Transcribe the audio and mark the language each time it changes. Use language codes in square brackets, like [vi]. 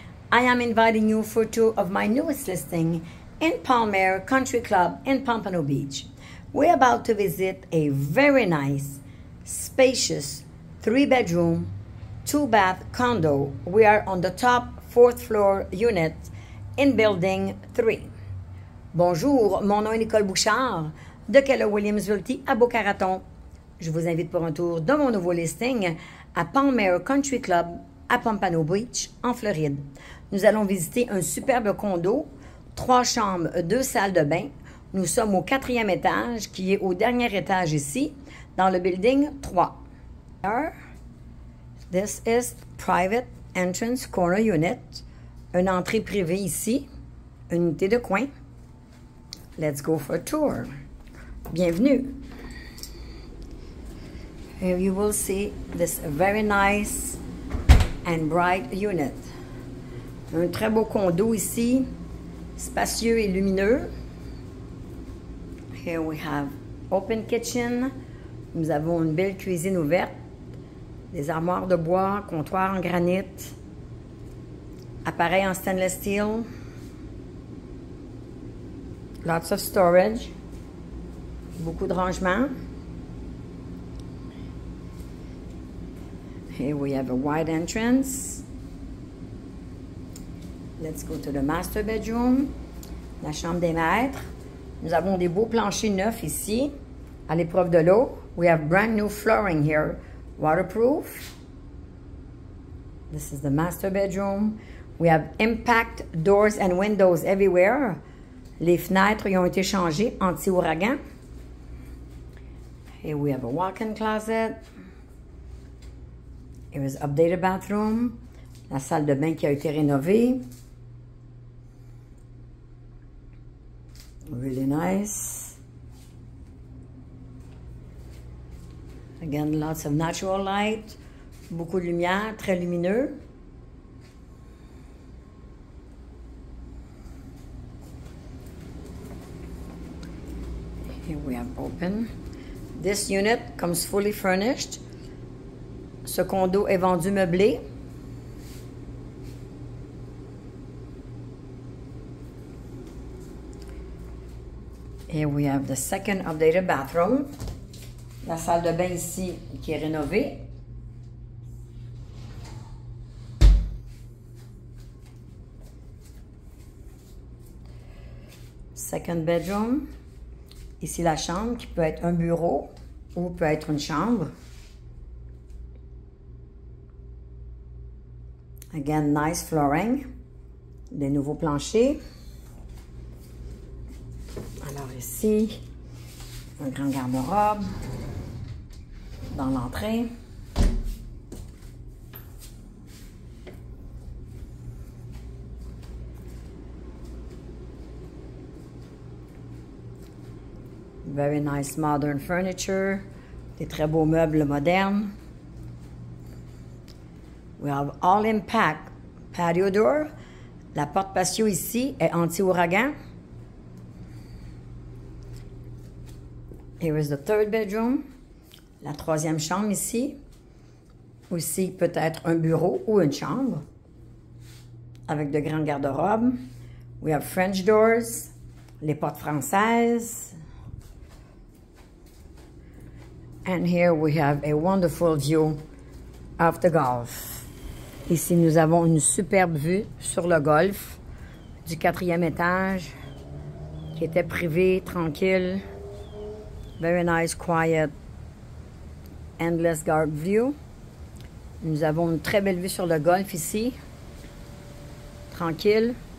[en] I am inviting you for a tour of my newest listing in Palmer Country Club in Pompano Beach. We're about to visit a very nice, spacious, three-bedroom, two-bath condo. We are on the top fourth floor unit in building three. [fr] Bonjour, mon nom est Nicole Bouchard de Keller Williams Realty à Boca Raton. Je vous invite pour un tour de mon nouveau listing à Palmer Country Club à Pompano Beach, en Floride. Nous allons visiter un superbe condo, trois chambres, deux salles de bain. Nous sommes au quatrième étage, qui est au dernier étage ici, dans le building 3. [en] Here, this is private entrance corner unit. [fr] Une entrée privée ici, unité de coin. [en] Let's go for a tour. [fr] Bienvenue. [en] Here you will see this very nice and bright unit. [fr] Un très beau condo ici, spacieux et lumineux. [en] Here we have open kitchen. [fr] Nous avons une belle cuisine ouverte. Des armoires de bois, comptoir en granit. Appareil en stainless steel. [en] Lots of storage. [fr] Beaucoup de rangement. [en] Here we have a wide entrance. Let's go to the master bedroom, [fr] la chambre des maîtres. Nous avons des beaux planchers neufs ici, à l'épreuve de l'eau. [en] We have brand new flooring here, waterproof. This is the master bedroom. We have impact doors and windows everywhere. [fr] Les fenêtres y ont été changées anti-ouragan. [en] Here we have a walk-in closet. Here is updated bathroom, [fr] la salle de bain qui a été rénovée. [en] Really nice. Again, lots of natural light, [fr] beaucoup de lumière, très lumineux. [en] Here we have open. This unit comes fully furnished. [fr] Ce condo est vendu meublé. [en] Here we have the second updated bathroom. [fr] La salle de bain ici qui est rénovée. [en] Second bedroom. [fr] Ici la chambre qui peut être un bureau ou peut être une chambre. [en] Again, nice flooring, [fr] des nouveaux planchers. Alors ici, un grand garde-robe dans l'entrée. [en] Very nice modern furniture, [fr] des très beaux meubles modernes. [en] We have all impact patio door. [fr] La porte patio ici est anti-ouragan. [en] Here is the third bedroom. [fr] La troisième chambre ici. Aussi peut-être un bureau ou une chambre. Avec de grands garde-robes. [en] We have French doors. [fr] Les portes françaises. [en] And here we have a wonderful view of the golf. [fr] Ici, nous avons une superbe vue sur le golf du quatrième étage qui était privé, tranquille. [en] Very nice, quiet, endless garden view. [fr] Nous avons une très belle vue sur le golf ici, tranquille.